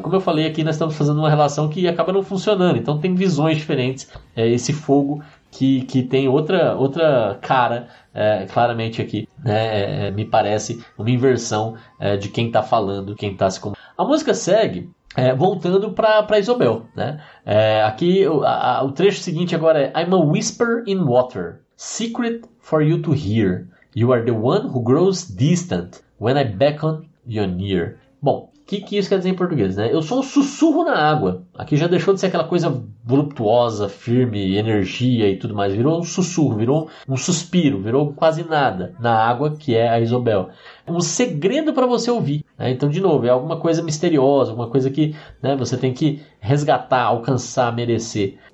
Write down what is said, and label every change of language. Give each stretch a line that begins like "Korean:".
Portuguese: Como eu falei aqui, nós estamos fazendo uma relação que acaba não funcionando, então tem visões diferentes, esse fogo que tem outra cara, claramente aqui, né? Me parece uma inversão de quem está falando, quem está se comunicando. A música segue voltando para Isobel, né? Aqui o trecho seguinte agora é
English: I'm a whisper in water, secret for you to hear. You are the one who grows distant when I beckon you near.
Portuguese: Bom, o que isso quer dizer em português, né? Eu sou um sussurro na água. Aqui já deixou de ser aquela coisa voluptuosa, firme, energia e tudo mais. Virou um sussurro, virou um suspiro, virou quase nada na água, que é a Isobel. Um segredo para você ouvir, né? Então, de novo, é alguma coisa misteriosa, alguma coisa que, né, você tem que resgatar, alcançar, merecer.